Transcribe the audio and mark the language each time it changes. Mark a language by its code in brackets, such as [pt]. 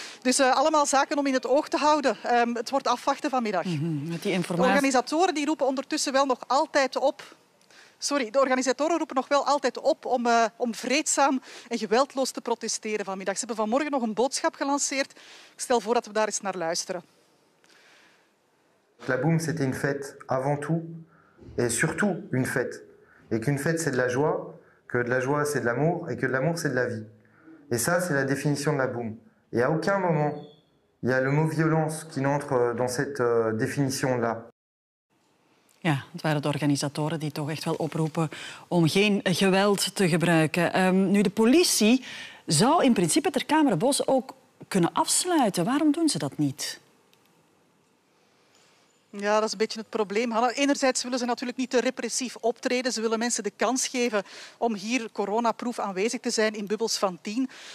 [nl] Dus allemaal zaken om in het oog te houden. Het wordt afwachten vanmiddag. Mm-hmm. Met die informatie. De organisatoren roepen nog wel altijd op om vreedzaam en geweldloos te protesteren vanmiddag. Ze hebben vanmorgen nog een boodschap gelanceerd. Ik stel voor dat we daar eens naar luisteren. [fr] Laboem, c'était une fête avant tout et surtout une fête. Et qu'une fête c'est de la joie c'est de l'amour et que de l'amour c'est de la vie. Et ça c'est la définition de Laboem. Et à aucun moment il y a le mot violence qui n'entre dans cette définition-là. [nl] Ja, het waren de organisatoren die toch echt wel oproepen om geen geweld te gebruiken. Nu, de politie zou in principe Ter Kamerbos ook kunnen afsluiten. Waarom doen ze dat niet? Ja, dat is een beetje het probleem, Hanna. Enerzijds willen ze natuurlijk niet te repressief optreden. Ze willen mensen de kans geven om hier coronaproef aanwezig te zijn in bubbels van 10.